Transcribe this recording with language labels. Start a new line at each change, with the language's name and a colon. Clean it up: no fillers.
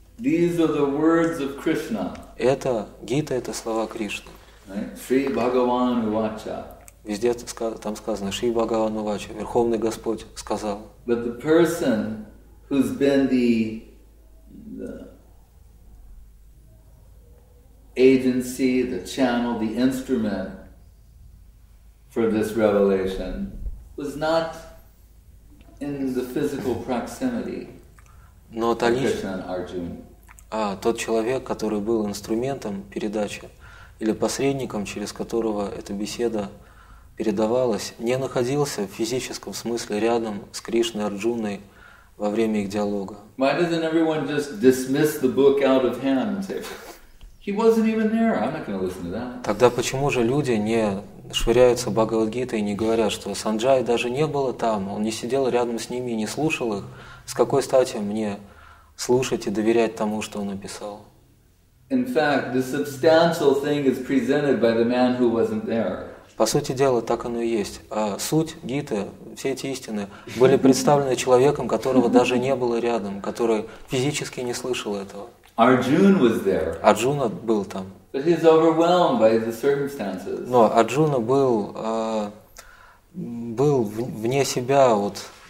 English: These are the words of Krishna.
Russian: Это Гита, это слова Кришны.
Sanskrit: Шри Бхагаван Увача.
Russian: Везде там сказано
Sanskrit: Шри Бхагаван Увача,
Russian: Верховный Господь сказал.
English: But the person who's been the agency, the channel, the instrument for this revelation was not in the physical proximity of Krishna and Arjuna.
Russian: Тот человек, который был инструментом передачи или посредником, через которого эта беседа передавалась, не находился в физическом смысле рядом с Кришной и Арджуной во время их диалога.
English: Why doesn't everyone just dismiss the book out of hand? He wasn't even there. I'm not going to listen to that.
Russian: Тогда почему же люди не швыряются Бхагавад-гитой и не говорят, что Санджай даже не было там, он не сидел рядом с ними и не слушал их? С какой стати мне слушать и доверять тому, что он написал?
English: In fact, the substantial thing is presented by the man who wasn't there.
Russian: По сути дела, так оно и есть. А суть Гиты, все эти истины, были представлены человеком, которого даже не было рядом, который физически не слышал этого.
English: Arjuna was there.
Russian: Арджуна был там.
English: But he's overwhelmed by the circumstances.
Russian: Но Арджуна был вне себя от